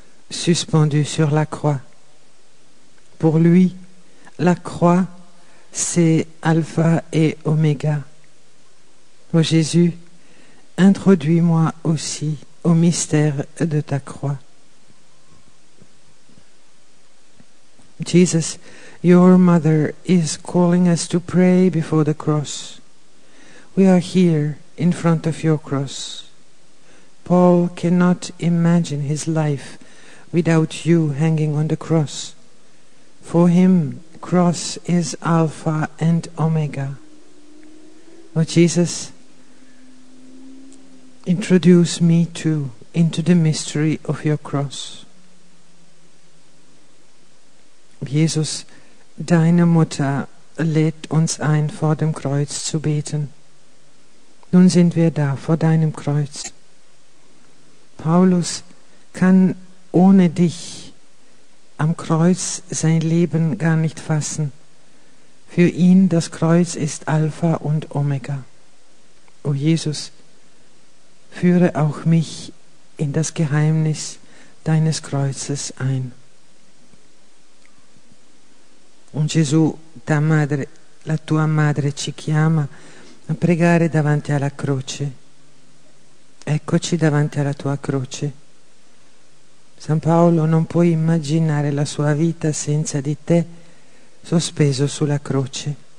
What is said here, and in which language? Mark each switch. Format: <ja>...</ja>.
<fr>suspendu sur la croix. Pour lui, la croix, c'est alpha et oméga. Ô Jésus, introduis-moi aussi au mystère de ta croix.</fr> <en>Jesus, your mother is calling us to pray before the cross. We are here in front of your cross. Paul cannot imagine his life without you hanging on the cross. For him, cross is Alpha and Omega. Oh Jesus, introduce me too into the mystery of your cross.</en> <de>Jesus, deine Mutter lädt uns ein, vor dem Kreuz zu beten. Nun sind wir da, vor deinem Kreuz. Paulus kann ohne dich am Kreuz sein Leben gar nicht fassen. Für ihn das Kreuz ist Alpha und Omega. O Jesus, führe auch mich in das Geheimnis deines Kreuzes ein.</de> <it>Und Gesù, ta madre, la tua madre ci chiama a pregare davanti alla croce. Eccoci davanti alla tua croce. San Paolo non può immaginare la sua vita senza di te sospeso sulla croce.</it>